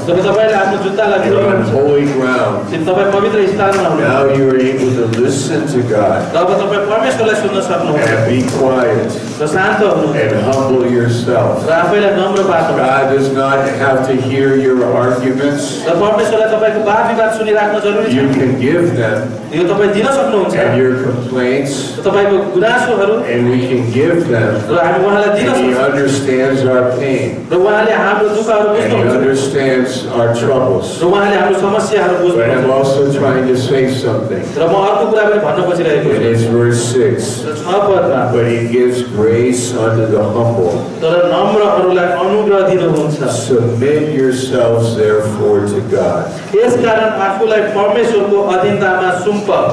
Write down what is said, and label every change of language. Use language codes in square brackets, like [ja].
[ne] जब तपाईले आफ्नो जुत्ताला फुकाउनुहुन्छ. [en] On holy ground. [ne] तिमी तपाई पवित्र स्थानमा हुनुहुन्छ. [en] Now you are able to listen to God. [ne] तब तपाई परमेश्वरलाई सुन्न सक्नुहुन्छ. [en] And be quiet. [ne] र शान्त हुनुहुन्छ. [en] And humble yourself. [ne] र आफैलाई नम्र पार्नुहुन्छ. [en] God does not have to hear your arguments. [ne] र परमेश्वरलाई तपाईको वाद विवाद सुनिराख्नु जरुरी छैन. [en] You can give them. [ne] यो तपाई दिन सक्नुहुन्छ. [en] And your complaints. [ne] तपाईको गुनासोहरु. [en] And we can give them. [ne] र हामी उहाँलाई दिन सक्छौं. [en] He understands our pain. [ne] र उहाँले हाम्रो दुःखहरु बुझ्नुहुन्छ. [en] He understands our troubles. [ne] र उहाँले हाम्रो समस्याहरु बुझ्नुहुन्छ. [en] But I'm also trying to say something. [ne] र म अर्को कुरा पनि भन्न खोजिरहेको छु. [en] It is verse 6. But he gives grace unto the humble. [ne] तर नम्रहरुलाई अनुग्रह दिनुहुन्छ. [en] Submit yourselves therefore to God. [ne] यसकारण आफूलाई परमेश्वरको अधीनतामा सुम्प.